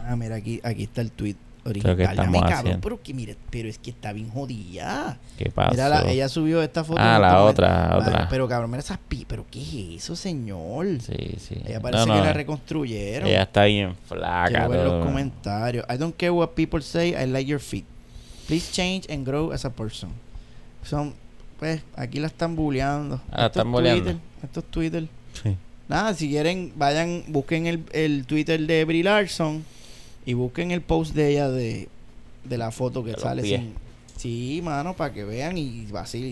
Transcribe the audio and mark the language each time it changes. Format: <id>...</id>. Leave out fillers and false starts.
<es>Ah, mira, aquí está el tweet original. Creo que estamos dame, cabrón, pero que mire, pero es que está bien jodida. ¿Qué pasó? Mira, ella subió esta foto. Ah, la otra, vale, otra. Pero cabrón, mira esas pi, pero qué es eso, señor. Sí, sí. Ella parece no, que la reconstruyeron. Ella está bien flaca. Quiero ver los comentarios.</es> <en>I don't care what people say, I like your feet. Please change and grow as a person.</en> <es>Son, pues, aquí la están bulleando. Ah, esto están bulleando. Esto es Twitter. Sí. Nada, si quieren, vayan, busquen el Twitter de Brie Larson y busquen el post de ella de la foto que de sale. Sin, sí, mano, para que vean y vacilen.</es>